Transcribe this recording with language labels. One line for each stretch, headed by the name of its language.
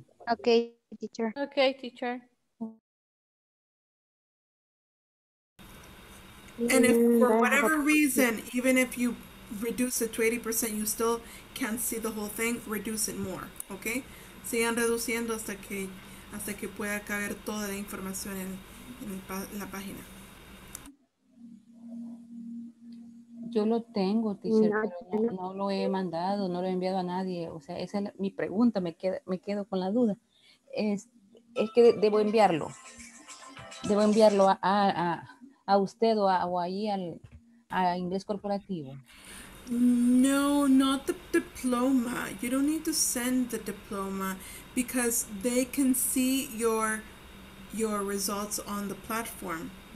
English: Okay, teacher. Okay, teacher. And if for whatever reason, even if you reduce it to 80%, you still can't see the whole thing, reduce it more, okay?
Spanish: Sigan reduciendo hasta que pueda caber toda la información en la página. Yo lo tengo, teacher, no lo he mandado, no lo he enviado a nadie. O sea, esa es mi pregunta, me quedo con la duda. Es que debo enviarlo. Debo enviarlo a usted o allí a Inglés Corporativo.
English: No, not the diploma. You don't need to send the diploma because they can see your results on the platform.